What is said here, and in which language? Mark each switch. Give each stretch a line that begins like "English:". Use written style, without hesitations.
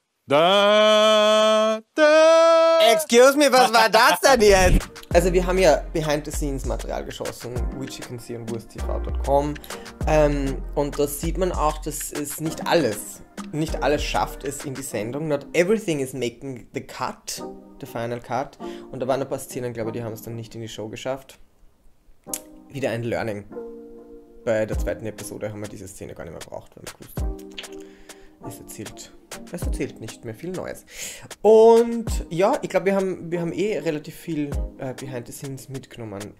German: Da, da.
English: Excuse me,
German: was war das denn jetzt? Also wir haben ja Behind-the-Scenes-Material geschossen,
English: which you can see on wursttv.com.
German: Und da sieht man auch, dass es nicht alles schafft es in die Sendung.
English: Not everything is making the cut, the final cut.
German: Und da waren ein paar Szenen, glaube ich, die haben es dann nicht in die Show geschafft. Wieder ein Learning. Bei der zweiten Episode haben wir diese Szene gar nicht mehr gebraucht, weil wir gewusst haben. Es erzählt nicht mehr viel Neues. Und ja, ich glaube, wir haben eh relativ viel Behind-the-Scenes mitgenommen.